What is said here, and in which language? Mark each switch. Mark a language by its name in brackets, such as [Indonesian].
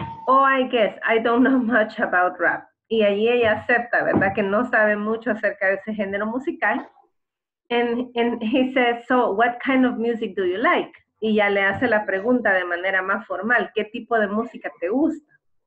[English] Oh, I guess I don't know much about rap. [Spanish] Y ahí ella acepta, ¿verdad? Que no sabe mucho acerca de ese género musical. [English] And he says, so what kind of music do you like? [Spanish] Y ya le hace la pregunta de manera más formal, ¿qué tipo de música te gusta?